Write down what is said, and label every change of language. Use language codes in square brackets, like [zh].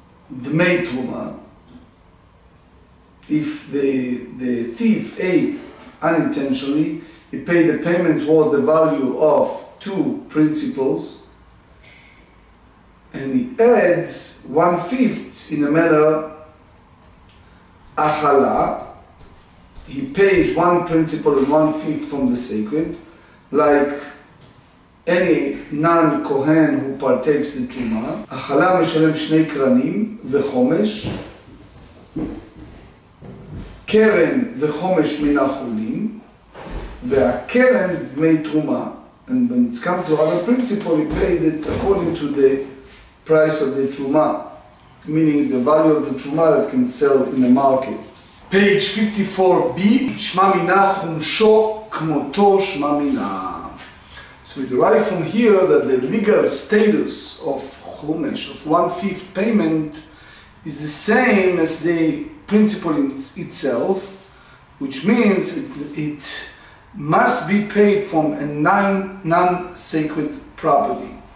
[en] Dmei truma. If the thief ate unintentionally, he paid the payment worth the value of two principals, and he adds one-fifth in a manner, achala, he paid one principal and one-fifth from the sacred, like any non-Kohen who partakes the truma. [he] Achala meshalem shnei kranim v'chomesh, קרן וחומש מן החולים, והקרן דמי תרומה. [en] And when it's come to other principle, he paid it according to the price of the תרומה, meaning the value of the תרומה that can sell in the market. [he] Page 54b, שמה מינה חומשו כמותו שמה מינה. [en] So we derive from here that the legal status of חומש, of one-fifth payment, is the same as the principle in itself, which means it must be paid from a non-sacred property.